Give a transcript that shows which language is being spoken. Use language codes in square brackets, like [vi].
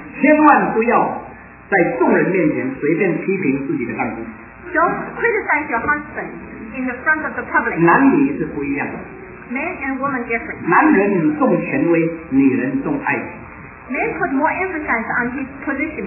[zh] 千万不要在众人面前随便批评自己的丈夫。 [en] Don't criticize your husband in the front of the public. [zh] 男女是不一样的。 [en] men and women differently. [zh] 男人重权威，女人重爱情。 [en] Men put more emphasis on his position.